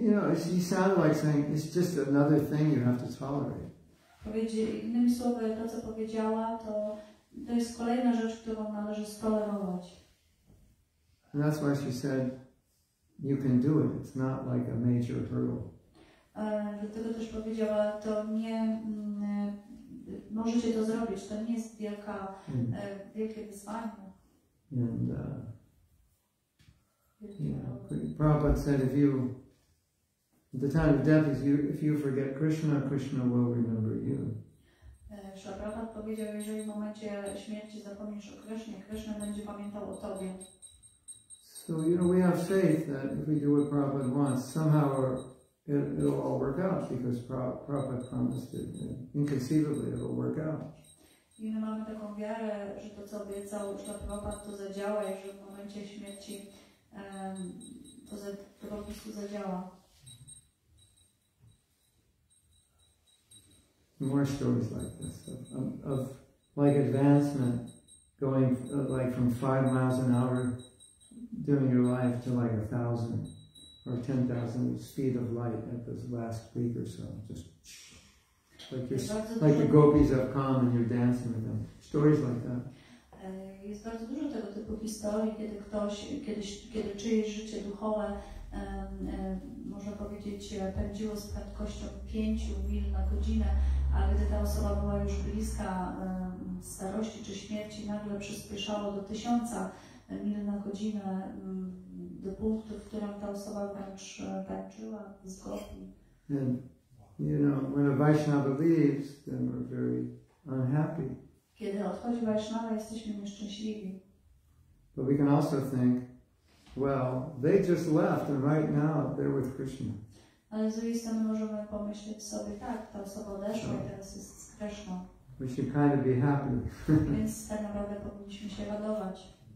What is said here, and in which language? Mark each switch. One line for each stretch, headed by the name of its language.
English: You know, it sounded like saying, it's just another thing you have to tolerate.
Polish: Innymi słowy, to co powiedziała, to to jest kolejna rzecz, którą należy stolerować.
English: And that's why she said, you can do it. It's not like a major hurdle.
Polish: Dlatego też powiedziała, to nie możecie to zrobić. To nie jest wielkie wyzwanie.
English: And Prabhupada said, if you at the time of death, if you forget Krishna, Krishna will remember you.
Polish: Krishna Prabhupada powiedział, jeżeli w momencie śmierci zapomnisz o Krishnie, Krishna będzie pamiętał o tobie.
English: So, you know, we have faith that if we do what Prabhupada wants, somehow it'll all work out, because Prabhupada promised it, inconceivably it'll work out.
Polish: I my mamy taką wiarę, że to co obiecał Krishna Prabhupada, to zadziała, i że w momencie śmierci to po prostu zadziała.
English: More stories like this of like advancement going like from 5 miles an hour during your life to like 1,000 or 10,000 speed of light at this last week or so, just like the gopis have come and you're dancing with them. Stories like that.
Polish: Jest bardzo dużo tego typu historii, kiedy ktoś, kiedy czyjeś życie duchowe, można powiedzieć, pędziło z prędkością 5 mil na godzinę, a gdy ta osoba była już bliska starości czy śmierci, nagle przyspieszało do 1000 mil na godzinę, do punktu, w którym ta osoba wręcz pędziła z gopi.
English: You know, when a Vaishnava leaves, then we're very unhappy.
Polish: Kiedy odchodzi Vaishnava, jesteśmy nieszczęśliwi.
English: But we can also think, well, they just left and right now they're with Krishna.
Polish: Ale z drugiej strony możemy pomyśleć sobie, tak, ta osoba odeszła i teraz jest z Krishna.
English: We should kind of be happy.
Polish: Więc tak naprawdę powinniśmy się radować.